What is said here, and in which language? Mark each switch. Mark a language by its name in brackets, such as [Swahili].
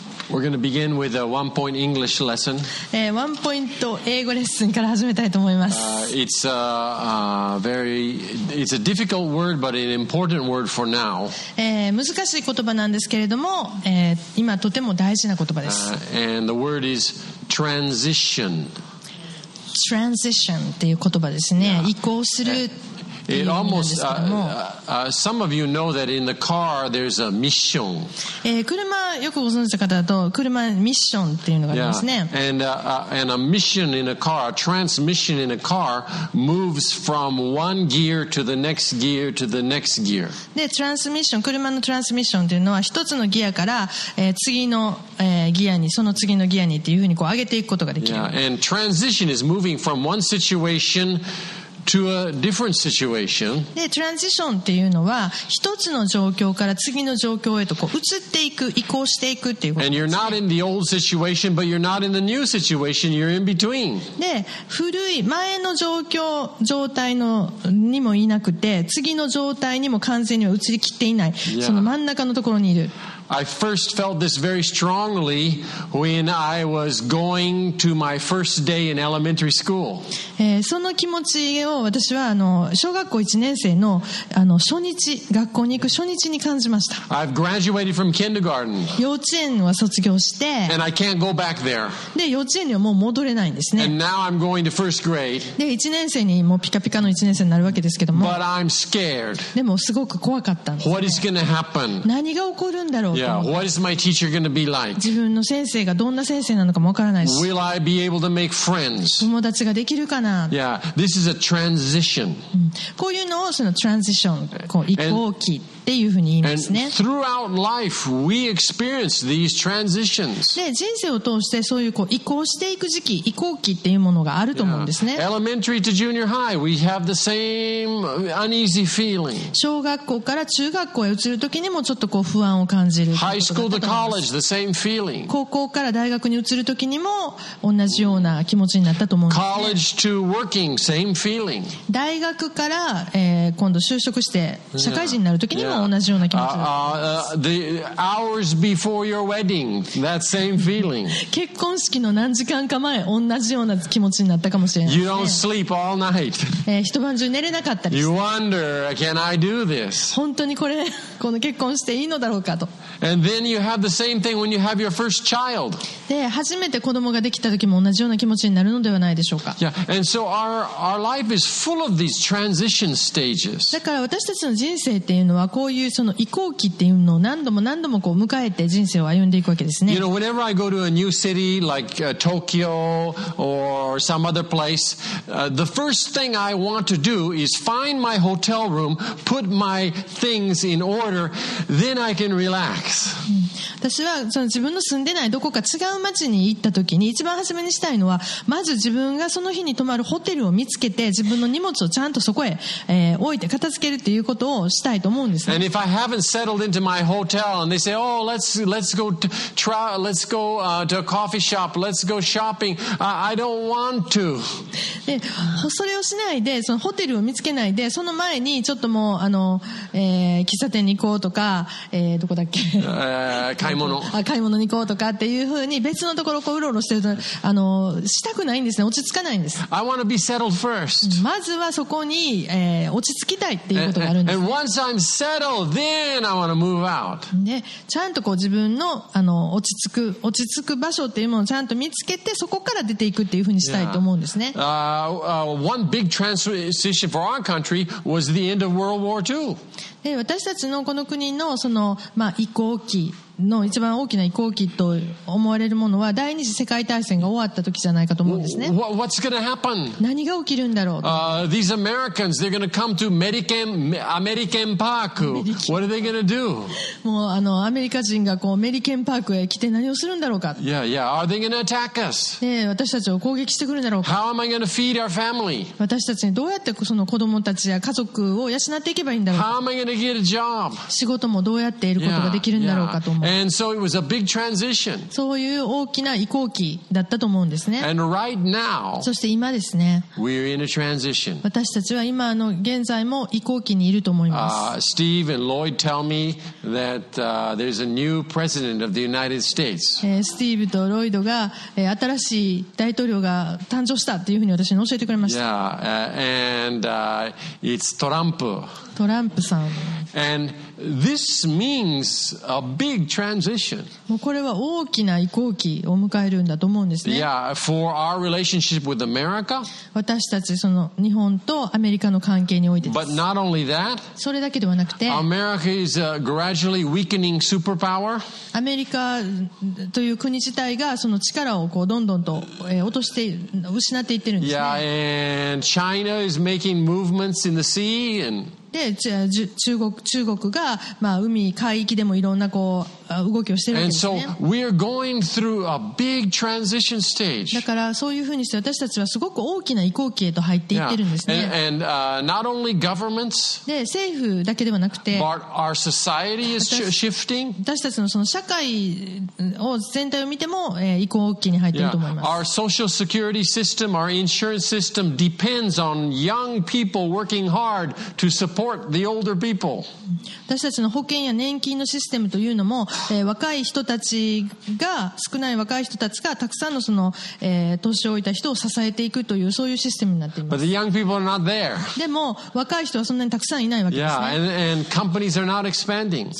[English] We're going to begin with a one point English lesson. One point [Japanese] 英語レッスンから始めたいと思います。 [English] It's a difficult word, but an important word for now. [Japanese] 難しい言葉なんですけれども、今とても大事な言葉です。 [English] And the word is transition. [Japanese] Transition っていう言葉ですね。 [English] Yeah. [Japanese] 移行する。 [English] It almost, some of you know that in the car there's a mission. [Japanese] 車よくご存知の方だと車にミッションっていうのがありますね。 [English] Yeah. And a mission in a car, a transmission in a car moves from one gear to the next gear to the next gear. [Japanese] で、transmission、車のtransmissionっていうのは一つのギアから、次の、ギアに、その次のギアにっていうふうにこう上げていくことができる。 [English] Yeah. And transition is moving from one situationto a different situation. [Japanese] で、トランジションっていうのは一つの状況から次の状況へとこう移っていく、移行していくっていうことです。 [English] And you're not in the old situation, but you're not in the new situation. You're in between. [Japanese] で、古い前の状況状態のにもいなくて、次の状態にも完全には移りきっていない。 [English] Yeah. [Japanese] その真ん中のところにいる。 [English] I first felt this very strongly when I was going to my first day in elementary school. [Japanese] その気持ちを私は小学校1年生の初日、学校に行く初日に感じました。 [English] I've graduated from kindergarten. [Japanese] 幼稚園は卒業して、 [English] and I can't go back there. [Japanese] で、幼稚園にはもう戻れないんですね。 [English] And now I'm going to first grade. [Japanese] で、1年生にもうピカピカの1年生になるわけですけども。 [English] But I'm scared. [Japanese] でもすごく怖かったんです。 [English] What is going to happen? [Japanese] 何が起こるんだろう。 [English] Yeah, what is my teacher going to be like? [Japanese] 自分の先生がどんな先生なのかもわからないし。 [English] Will I be able to make friends? [Japanese] 友達ができるかな。 [English] Yeah, this is a transition. [Japanese] こういうのをそのtransition、移行期っていうふうに言いますね。 [English] And throughout life, we experience these transitions. [Japanese] で、人生を通してそういうこう移行していく時期、移行期っていうものがあると思うんですね。 [English] Yeah. Elementary to junior high, we have the same uneasy feeling. [Japanese] 小学校から中学校へ移るときにもちょっとこう不安を感じ。 [English] High school to college, the same feeling. [Japanese] 高校から大学に移るときにも同じような気持ちになったと思うんですね。 [English] College to working, same feeling. [Japanese] 大学から、今度就職して社会人になるときにも同じような気持ちになった。 [English] The hours before your wedding, that same feeling. [Japanese] 結婚式の何時間か前、同じような気持ちになったかもしれない。 [English] You don't sleep all night. [Japanese] 一晩中寝れなかったり。 [English] You wonder, can I do this? [Japanese] 本当にこれこの結婚していいのだろうかと。 [English] And then you have the same thing when you have your first child. [Japanese] で、初めて子供ができた時も同じような気持ちになるのではないでしょうか。 [English] Yeah. And so our life is full of these transition stages. [Japanese] だから私たちの人生っていうのはこういうその移行期っていうのを何度も何度もこう迎えて人生を歩んでいくわけですね。 [English] You know, whenever I go to a new city like Tokyo or some other place, the first thing I want to do is find my hotel room, put my things in order, then I can relax. [Japanese] 私はその自分の住んでないどこか違う街に行った時に一番初めにしたいのはまず自分がその日に泊まるホテルを見つけて自分の荷物をちゃんとそこへ、置いて片付けるっていうことをしたいと思うんですね。 [English] And if I haven't settled into my hotel and they say, oh, let's go to a coffee shop, let's go shopping, I don't want to. [Japanese] で、それをしないでそのホテルを見つけないでその前にちょっともう喫茶店に行こうとか、どこだっけ買い物に行こうとかっていうふうに別のところをこううろうろしてるとしたくないんですね。落ち着かないんです。 [English] I want to be settled first. [Japanese] まずはそこに、落ち着きたいっていうことがあるんです、ね。 [English] And once I'm settled, then I want to move out. [Japanese] で、ちゃんとこう自分の落ち着く場所っていうものをちゃんと見つけてそこから出ていくっていうふうにしたいと思うんですね。 [English] Yeah. One big transition for our country was the end of World War II. [Japanese] で、私たちのこの国のその、まあ、移行期の一番大きな移行期と思われるものは第二次世界大戦が終わった時じゃないかと思うんですね。 [English] What's gonna happen? [Japanese] 何が起きるんだろう。 [English] These Americans, they're gonna come to American Park. What are they gonna do? [Japanese] もうアメリカ人がこうメリケンパークへ来て何をするんだろうか。 [English] Yeah, yeah. Are they gonna attack us? [Japanese] 私たちを攻撃してくるんだろうか。 [English] How am I gonna feed our family? [Japanese] 私たちにどうやってその子供たちや家族を養っていけばいいんだろうか。 [English] How am I gonna get a job? [Japanese] 仕事もどうやって得ることができるんだろうかと思う。 [English] Yeah, yeah. And so it was a big transition. [Japanese] そういう大きな移行期だったと思うんですね。 [English] And right now, [Japanese] そして今ですね。 [English] We're in a transition. [Japanese] 私たちは今の現在も移行期にいると思います。 [English] Steve and Lloyd tell me that there's a new president of the United States. [Japanese] Steve とロイドが新しい大統領が誕生したというふうに私に教えてくれました。 [English] Yeah, and it's Trump. [Japanese] トランプさん。 [English] And this means a big transition. [Japanese] もうこれは大きな移行期を迎えるんだと思うんですね。 [English] Yeah, for our relationship with America. [Japanese] 私たちその日本とアメリカの関係においてです。 [English] But not only that. [Japanese] それだけではなくて、 [English] America is a gradually weakening superpower. [Japanese] アメリカという国自体がその力をこうどんどんと落として失っていってるんですね。 [English] Yeah, and China is making movements in the sea and. [Japanese] で中国が、まあ、海海域でもいろんなこう動きをしてるんですね。 [English] And so we're going through a big transition stage. [Japanese] だからそういうふうにして私たちはすごく大きな移行期へと入っていってるんですね。 [English] Yeah. And not only governments, [Japanese] で政府だけではなくて [English] but our society is shifting. [Japanese] 私たちのその社会を全体を見ても、移行期に入ってると思います。 [English] Yeah. Our social security system, our insurance system depends on young people working hard to support the older people. [Japanese] 私たちの保険や年金のシステムというのも若い人たちが少ない若い人たちがたくさんのその年を置いた人を支えていくというそういうシステムになっています。 [English] But the young people are not there. [Japanese] でも若い人はそんなにたくさんいないわけですね。 [English] Yeah, and companies are not expanding.